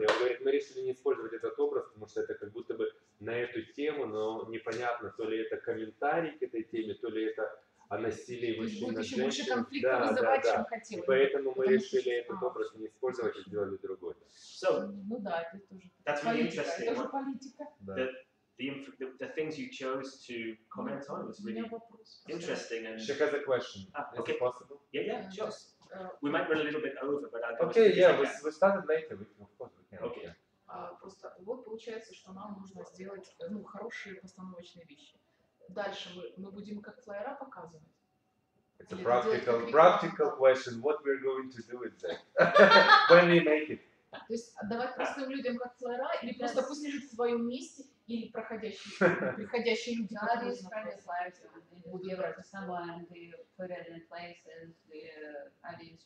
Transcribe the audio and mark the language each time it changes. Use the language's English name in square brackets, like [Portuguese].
[Russian] И он говорит, мы решили не использовать этот образ, потому что это как будто бы на эту тему, но непонятно, то ли это комментарий к этой теме, то ли это о насилии мужчина, женщина. Будет еще больше конфликта вызывать, чем хотелось. И поэтому мы решили этот образ не использовать и сделали другой. [English] So, [Russian] ну да, это тоже политика. Да. [English] The things you chose to comment on was really interesting. And she has a question. Ah, okay. Is it possible? Yeah, sure. We might run a little bit over, but I'll go. Okay, yeah, we started later. Of course, we can. Okay. [Russian] Просто вот получается, что нам нужно сделать ну хорошие постановочные вещи. Дальше мы будем как флайера показывать. [English] It's a practical question. What we're going to do with that? When we make it? [Russian] То есть давать простым людям как флайера или просто пусть лежит в своем месте. Или приходящие люди. [English] Да, these friendly flyers would give it to someone, they put it in place, and the audience